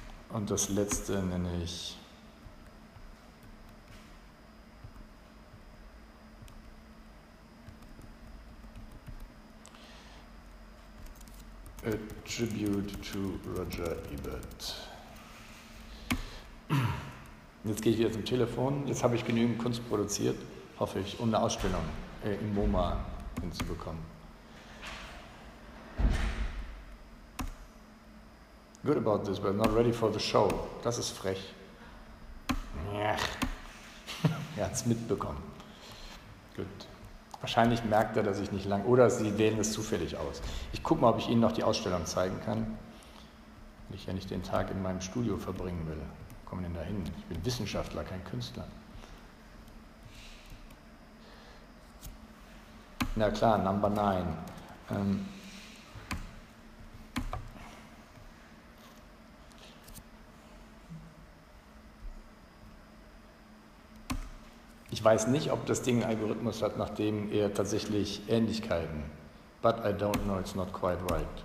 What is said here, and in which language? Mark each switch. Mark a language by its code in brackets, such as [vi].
[de] Und das letzte nenne ich A Tribute to Roger Ebert. Jetzt gehe ich wieder zum Telefon. Jetzt habe ich genügend Kunst produziert, hoffe ich, um eine Ausstellung im MoMA hinzubekommen. [en] Good about this, but not ready for the show. [de] Das ist frech. Er hat es mitbekommen. Gut. Wahrscheinlich merkt er, dass ich nicht lang... Oder sie wählen es zufällig aus. Ich gucke mal, ob ich Ihnen noch die Ausstellung zeigen kann. Weil ich ja nicht den Tag in meinem Studio verbringen will. Wo kommen denn da hin? Ich bin Wissenschaftler, kein Künstler. Na klar, Number 9. Ich weiß nicht, ob das Ding einen Algorithmus hat, nachdem er tatsächlich Ähnlichkeiten. [en] But I don't know, it's not quite right.